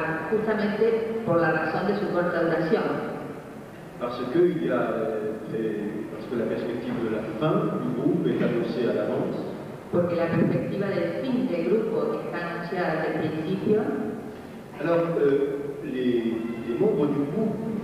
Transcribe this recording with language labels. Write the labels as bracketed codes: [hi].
[es] Justamente por la razón de su corta duración. [fr] parce que il y a parce que la perspective de la fin du groupe est annoncée à l'avance. [es] Porque la perspectiva del fin del grupo está anunciada desde el principio. [fr] Alors les membres du groupe,